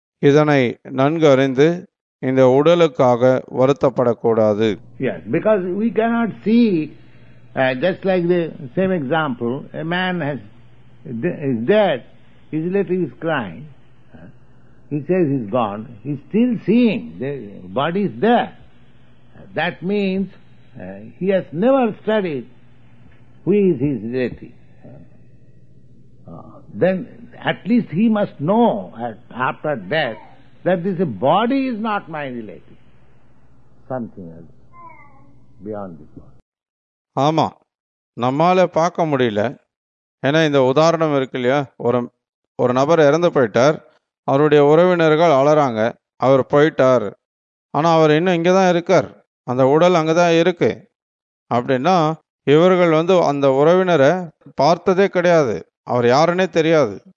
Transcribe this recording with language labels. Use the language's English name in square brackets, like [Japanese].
[Tamil] இதனை நன்கு அறிந்து இந்த உடலுக்காக வருத்தப்படக்கூடாது. [English] Yes, because we cannot see. Just like the same example, a man is dead, his relative is crying, he says he's gone, he's still seeing, the body is there. That means he has never studied who is his relative. Then at least he must know after death that this body is not my relative, something else beyond this body. [Tamil] ஆமா, நம்மால பார்க்க முடியல. ஏன்னா இந்த உதாரணம் இருக்கு இல்லையா, ஒரு நபர் இறந்து போயிட்டார், அவருடைய உறவினர்கள் அழறாங்க, அவர் போயிட்டார், ஆனா அவர் இன்னும் இங்கே தான் இருக்கார், அந்த உடல் அங்கே தான் இருக்கு. அப்படின்னா இவர்கள் வந்து அந்த உறவினரை பார்த்ததே கிடையாது, அவர் யாருன்னே தெரியாது.